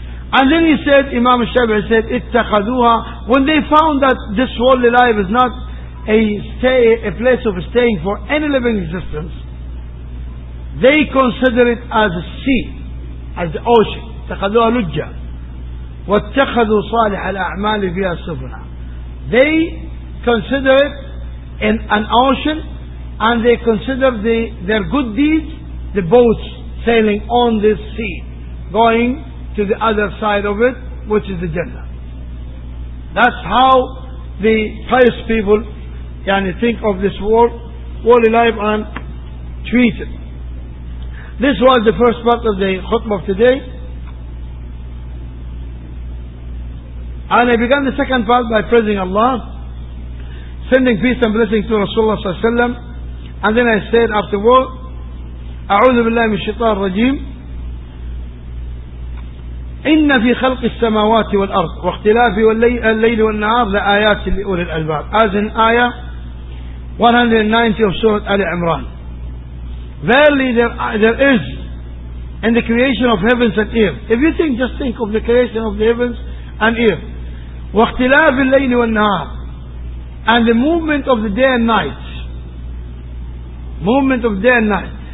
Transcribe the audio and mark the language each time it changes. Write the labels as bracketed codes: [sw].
[en] And then he said, Imam Shafi'i said, [ar] اتَّخَذُوهَا. [en] When they found that this worldly life is not a place of staying for any living existence, they consider it as a sea, as the ocean. [ar] اتخذوها لجة واتخذوا صالح الأعمال فيها سفنة. [en] They consider it in an ocean and they consider the, their good deeds, the boats sailing on this sea, going to the other side of it, which is the Jannah. That's how the pious people [ar] يعني [en] think of this world, worldly life and treat it. This was the first part of the khutbah of today. And I began the second part by praising Allah, sending peace and blessing to Rasulullah sallallahu alayhi wa sallam. And then I said afterward, [ar] أعوذ بالله من الشيطان الرجيم إن في خلق السماوات والأرض واختلاف الليل والنهار لآيات لأولي الألباب. [en] As in ayah 190 of Surah Ali Imran. Verily there is in the creation of heavens and earth. If you think, just think of the creation of the heavens and earth. [ar] واختلاف الليل والنهار. [en] And the movement of the day and night. Movement of day and night.